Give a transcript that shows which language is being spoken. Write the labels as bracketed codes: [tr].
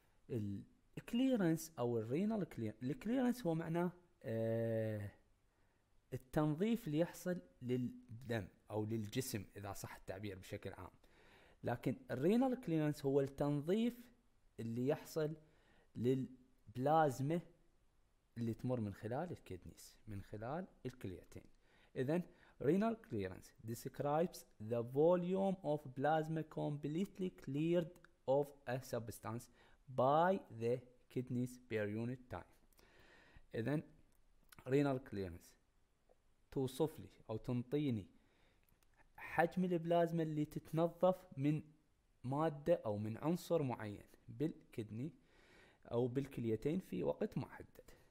[ar] الكليرنس أو الرينال كليرنس، الكليرنس هو معناه التنظيف اللي يحصل للدم او للجسم اذا صح التعبير بشكل عام، لكن الرينال كليرنس هو التنظيف اللي يحصل للبلازما اللي تمر من خلال الكيدنيز من خلال الكليتين. اذا رينال كليرنس [en] describes the volume of plasma completely cleared of a substance by the kidneys per unit time. [ar] اذا رينال كليرنس توصف لي أو تنطيني حجم البلازما اللي تتنظف من مادة أو من عنصر معين بالكدني أو بالكليتين في وقت محدد.